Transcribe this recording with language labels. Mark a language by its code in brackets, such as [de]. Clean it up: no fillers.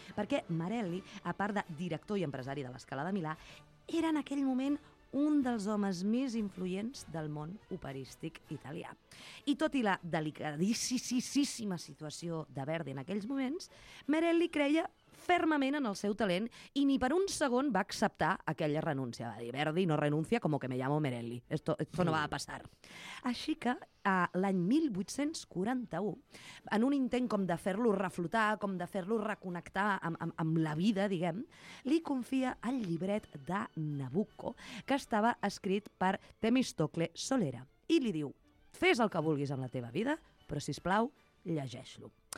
[ca] Perquè Merelli, a part de director i empresari de La Scala de Milà, era en aquell moment un dels homes més influents del món operístic italià. I tot i la delicadíssima situació de Verdi en aquells moments, Merelli creia fermament en el seu talent i ni per un segon va acceptar aquella renúncia. Va dir, [es] Verdi no renuncia como que me llamo Merelli. Esto no va a passar. [ca] Així que l'any 1841, en un intent com de fer-lo reflotar, com de fer-lo reconnectar amb la vida, diguem, li confia el llibret de Nabucco, que estava escrit per Temistocle Solera, i li diu, fes el que vulguis amb la teva vida, però sisplau, llegeix-lo.